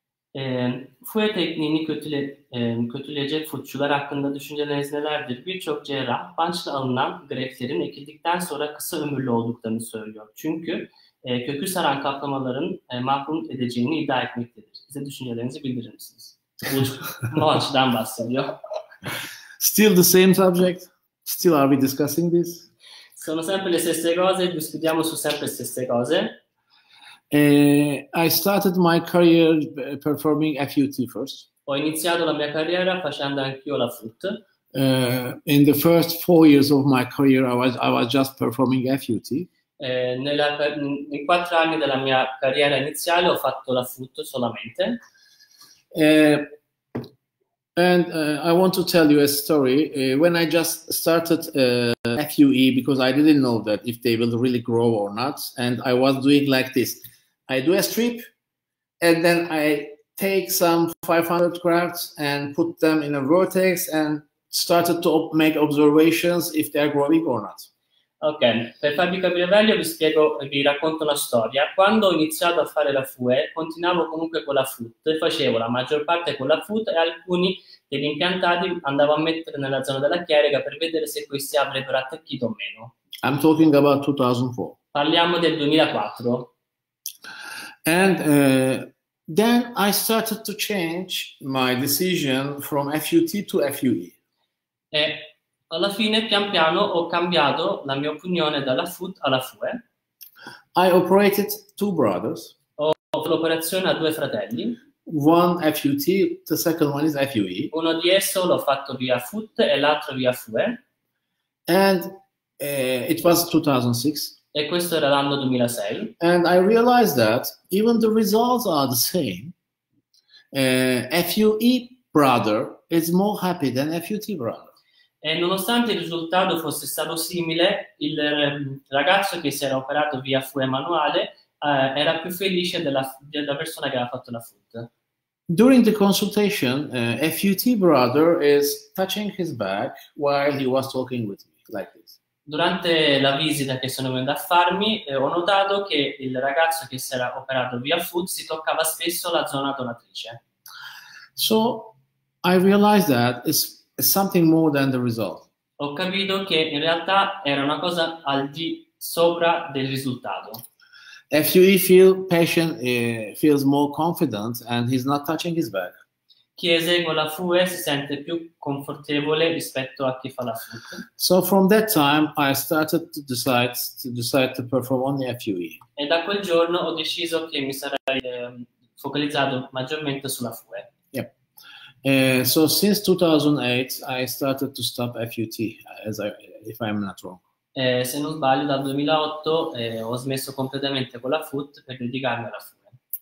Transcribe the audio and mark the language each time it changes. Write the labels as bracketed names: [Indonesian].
[Turkish] FUE tecnici che utilizza il FUT sulla raccolta di scendere nell'erde qui ciò che era punch alna grefterin e che dictan sono raccolta di un loaduto nel suo cinque. Kökü saran kaplamaların mahrum edeceğini iddia etmektedir. Bize düşüncelerinizi bildirir misiniz? Bu açıdan bahsediyor. [English] Still the same subject? Still are we discussing this? [Italian] Sono sempre le stesse cose, discutiamo su sempre le stesse cose. [English] I started my career performing FUT first. [Italian] Ho iniziato la mia carriera facendo anch'io la FUT. [English] In the first 4 years of my career I was just performing FUT. [Italian] In 4 anni della mia carriera iniziale ho fatto la FUT solamente. [English] And I want to tell you a story. When I just started FUE, because I didn't know that if they will really grow or not, and I was doing like this. I do a strip, and then I take some 500 grafts and put them in a vortex and started to make observations if they are growing or not. [Italian] Ok, per farvi capire meglio vi spiego, vi racconto una storia. Quando ho iniziato a fare la FUE, continuavo comunque con la FUT, facevo la maggior parte con la FUT e alcuni degli impiantati andavo a mettere nella zona della chierica per vedere se questi avrebbero attacchito o meno. [English] I'm talking about 2004. [Italian] Parliamo del 2004. [English] And then I started to change my decision from FUT to FUE. [Italian] Alla fine, pian piano, ho cambiato la mia opinione dalla FUT alla FUE. [English] I operated two brothers. [Italian] Ho fatto l'operazione a due fratelli. [English] One FUT, the second one is FUE. [Italian] Uno di esso l'ho fatto via FUT e l'altro via FUE. [English] And it was 2006. [Italian] E questo era l'anno 2006. [English] And I realized that even the results are the same, FUE brother is more happy than FUT brother. [Italian] E nonostante il risultato fosse stato simile, il ragazzo che si era operato via FUE manuale era più felice della persona che aveva fatto la FUT. [English] During the consultation, FUT brother is touching his back while he was talking with me, like this. [Italian] Durante la visita che sono venuto a farmi, ho notato che il ragazzo che si era operato via FUT si toccava spesso la zona donatrice. [English] So, I realized that it's something more than the result. [Italian] Ho capito che in realtà era una cosa al di sopra del risultato. [English] FUE feel patient feels more confident and he's not touching his back. [Italian] Chi esegue la FUE si sente più confortevole rispetto a chi fa la FUE. [English] So from that time I started to decide to perform only FUE. [Italian] E da quel giorno ho deciso che mi sarei focalizzato maggiormente sulla FUE. [English] So since 2008 I started to stop FUT if I'm not wrong. [Italian] Se non sbaglio dal 2008 ho smesso completamente con la FUT per dedicarmi alla FUE.